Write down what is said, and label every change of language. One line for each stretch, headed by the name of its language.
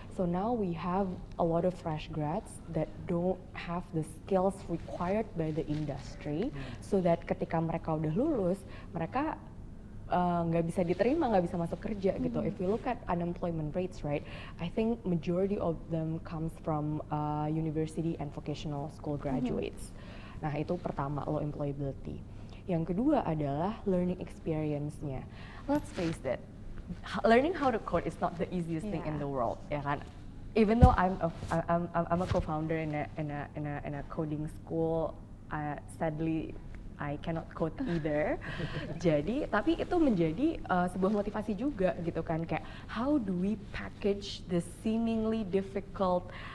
English: So now we have a lot of fresh grads that don't have the skills required by the industry, so that
Indonesian: ketika mereka udah lulus, mereka nggak bisa diterima, nggak bisa masuk kerja gitu.
English: If you look at unemployment rates, right, I think majority of them comes from university and vocational school graduates.
Indonesian: Nah, itu pertama,
English: low employability.
Indonesian: Yang kedua adalah learning experience-nya.
English: Let's face it, learning how to code is not the easiest thing in the world,
Indonesian: ya kan?
English: Even though I'm a co-founder in a coding school, sadly I cannot code either.
Indonesian: Jadi tapi itu menjadi sebuah motivasi juga gitu kan, kayak
English: how do we package the seemingly difficult